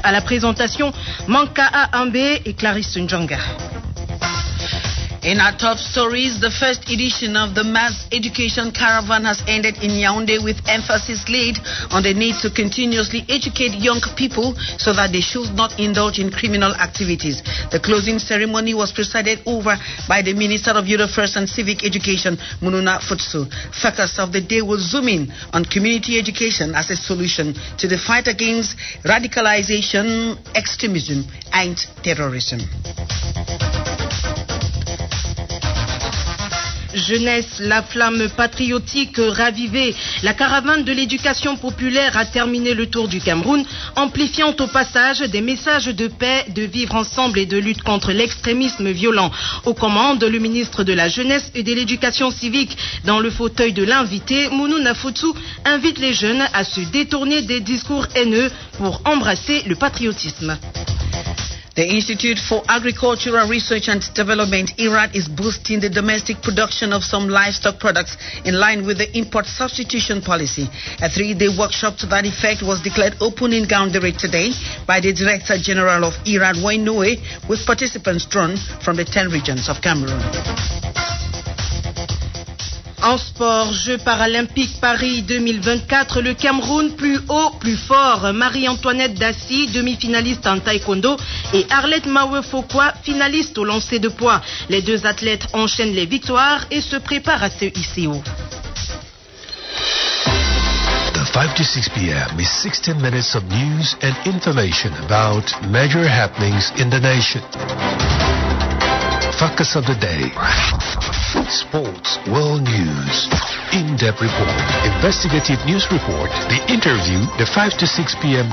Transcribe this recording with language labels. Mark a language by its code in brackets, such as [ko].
[fr] À la présentation, Manka Ahambé et Clarisse Ndjanga. [en] In our top stories, the first edition of the mass education caravan has ended in Yaoundé with emphasis laid on the need to continuously educate young people so that they should not indulge in criminal activities. The closing ceremony was presided over by the Minister of Youth Affairs and Civic Education, Mununa Futsu. Focus of the day will zoom in on community education as a solution to the fight against radicalization, extremism, and terrorism. [fr] Jeunesse, la flamme patriotique ravivée. La caravane de l'éducation populaire a terminé le tour du Cameroun, amplifiant au passage des messages de paix, de vivre ensemble et de lutte contre l'extrémisme violent. Aux commandes, le ministre de la Jeunesse et de l'Éducation civique, dans le fauteuil de l'invité, Mununa Futsu, invite les jeunes à se détourner des discours haineux pour embrasser le patriotisme. [en] The Institute for Agricultural Research and Development, IRAD, is boosting the domestic production of some livestock products in line with the import substitution policy. A three-day workshop to that effect was declared open in Gaoundéré today by the Director General of IRAD, Wayne Noé, with participants drawn from the 10 regions of Cameroon. [fr] En sport, Jeux Paralympiques Paris 2024, le Cameroun plus haut, plus fort. Marie-Antoinette Dassy, demi-finaliste en taekwondo, et Arlette Mawefokwa, finaliste au lancer de poids. Les deux athlètes enchaînent les victoires et se préparent à ce ICO. [en] The 5 to 6 p.m. is 16 minutes of news and information about major happenings in the nation. Focus of the day. Sports, world news, in-depth report, investigative news report, the interview, the 5 to 6 p.m.